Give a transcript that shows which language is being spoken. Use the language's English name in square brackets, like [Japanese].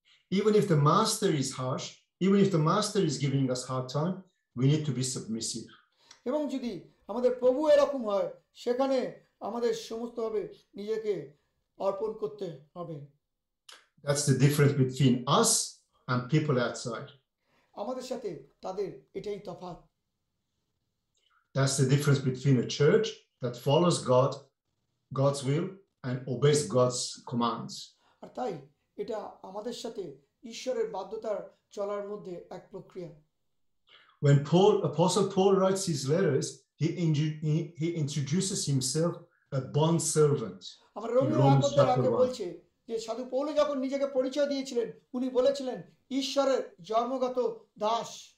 [English] Even if the master is harsh, even if the master is giving us hard time, we need to be submissive. [Bangla] এবং যদি আমাদের প্রভু এরকম হয় সেখানে আমাদের সমস্ত ভাবে নিজেকে অর্পণ করতে হবে। [English] That's the difference between us and people outside. [Bangla] আমাদের সাথে তাদের এটাই তফাৎ। [English] That's the difference between a church that follows God, God's will, and obeys God's commands. [Bangla] আর তাই এটা আমাদের সাথে ঈশ্বরের বাধ্যতার চলার মধ্যে এক প্রক্রিয়া। [English] When Paul, Apostle Paul writes his letters, he introduces himself a bond servant. [Bangla] আমরা রোমের আগমনের আগে বলছে যে সাধু পৌল যখন নিজেকে পরিচয় দিয়েছিলেন উনি বলেছিলেন ঈশ্বরের জন্মগত দাস।